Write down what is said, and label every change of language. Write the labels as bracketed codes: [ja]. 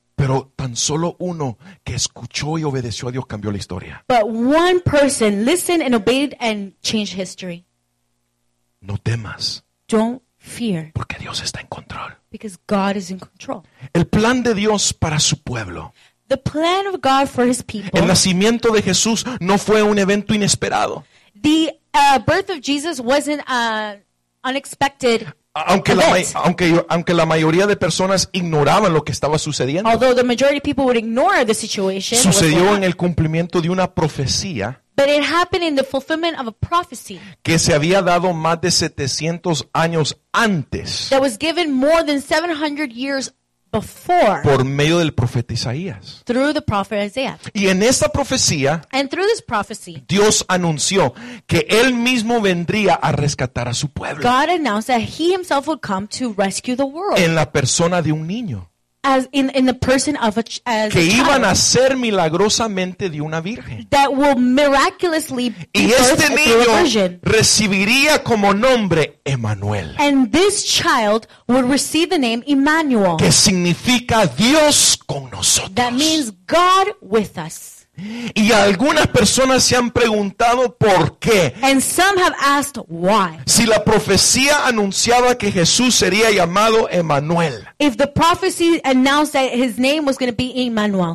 [es] Pero tan solo uno que escuchó y obedeció a Dios cambió la historia. [en] But one person listened and obeyed and changed history. [es] No temas. [en] Don't fear. [es] Porque Dios está en control. [en] Because God is in control. [es] El plan de Dios para su pueblo. [en] The plan of God for his people. [es] El nacimiento de Jesús no fue un evento inesperado. [en] The birth of Jesus wasn't unexpected. [es] Aunque la mayoría de personas ignoraban lo que estaba sucediendo. [en] Although the majority of people would ignore the situation. [es] Sucedió en el cumplimiento de una profecía. [en] But it happened in the fulfillment of a prophecy. [es] Que se había dado más de 700 años antes. [en] That was given more than 700 years before. [es] Por medio del profeta Isaías. [en] Through the prophet Isaiah. [es] Y en esta profecía. [en] And through this prophecy. [es] Dios anunció que él mismo vendría a rescatar a su pueblo. [en] God announced that he himself would come to rescue the world. [es] En la persona de un niño. [en] As in the person of a child. [es] Que iba a nacer milagrosamente de una virgen. [en] That will miraculously be [es] y este niño recibiría como nombre Emmanuel. [en] And this child would receive the name Emmanuel. [es] Que significa Dios con nosotros. [en] That means God with us. [es] Y algunas personas se han preguntado por qué. [en] And some have asked why. [es] Si la profecía anunciaba que Jesús sería llamado Emmanuel. [en] If the prophecy announced that his name was going to be Emmanuel.